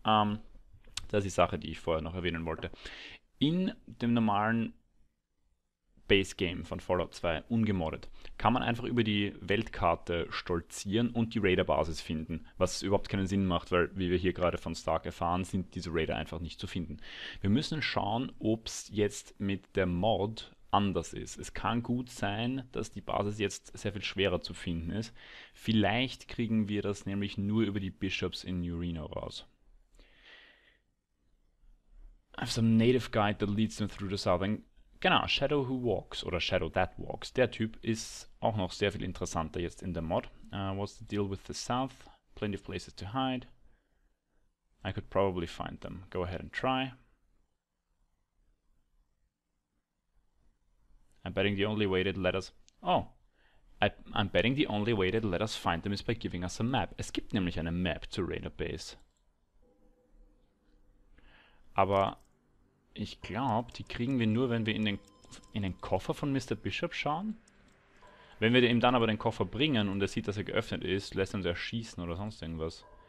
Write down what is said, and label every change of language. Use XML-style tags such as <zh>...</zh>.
<de>Das ist die Sache, die ich vorher noch erwähnen wollte. In dem normalen Base Game von Fallout 2, ungemoddet, kann man einfach über die Weltkarte stolzieren und die Raider-Basis finden, was überhaupt keinen Sinn macht, weil, wie wir hier gerade von Stark erfahren, sind diese Raider einfach nicht zu finden. Wir müssen schauen, ob es jetzt mit der Mod anders ist. Es kann gut sein, dass die Basis jetzt sehr viel schwerer zu finden ist. Vielleicht kriegen wir das nämlich nur über die Bishops in New Reno raus.</de> <en>I have some native guide that leads them through the southern.</en> <de>Genau, Shadow Who Walks oder Shadow That Walks. Der Typ ist auch noch sehr viel interessanter jetzt in der Mod.</de> <en>What's the deal with the South? Plenty of places to hide. I could probably find them. Go ahead and try. I'm betting the only way to let us. Oh! I'm betting the only way to let us find them is by giving us a map.</en> <de>Es gibt nämlich eine Map zu Rainer Base. Aber ich glaube, die kriegen wir nur, wenn wir in den Koffer von Mr. Bishop schauen. Wenn wir ihm dann aber den Koffer bringen und er sieht, dass er geöffnet ist, lässt er uns erschießen oder sonst irgendwas.</de>